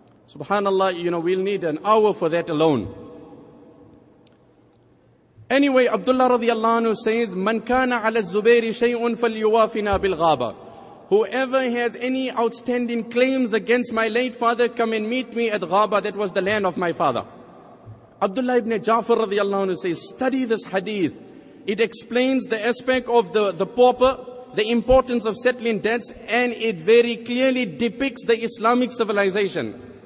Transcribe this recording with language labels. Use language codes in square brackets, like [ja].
[en] Subhanallah, you know, we'll need an hour for that alone. [ar] Anyway, Abdullah radiallahu anhu says, مَنْ كَانَ عَلَى الزُّبَيْرِ شَيْءٌ فَلْيُوَافِنَا بِالْغَابَةِ. [en] Whoever has any outstanding claims against my late father, come and meet me at Ghaba. That was the land of my father. Abdullah ibn Ja'far radiallahu anhu says, study this hadith. It explains the aspect of the pauper the importance of settling debts, and it very clearly depicts the Islamic civilization.